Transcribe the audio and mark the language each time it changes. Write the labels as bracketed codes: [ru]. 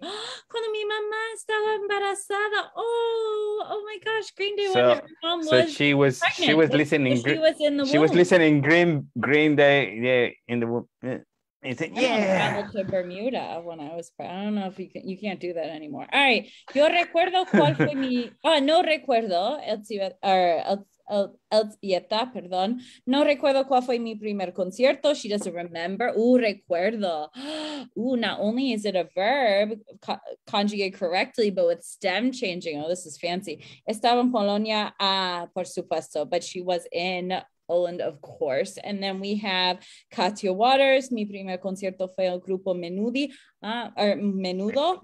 [es] Cuando mi mamá estaba embarazada. [en] Oh my gosh, [es] Green Day. [en] So, she was listening Green Day, yeah, in the womb. Yeah. And said, yeah. I traveled to Bermuda when I was, I don't know if you can't do that anymore. All right. [es] Yo recuerdo cuál fue mi, no recuerdo, no recuerdo cuál fue mi primer concierto. [en] She doesn't remember. Recuerdo. Not only is it a verb conjugated correctly, but with stem changing. Oh, this is fancy. [es] Estaba en Polonia, por supuesto. [en] But she was in Poland, of course. And then we have Katia Waters. [es] Mi primer concierto fue el grupo Menudi. Menudo.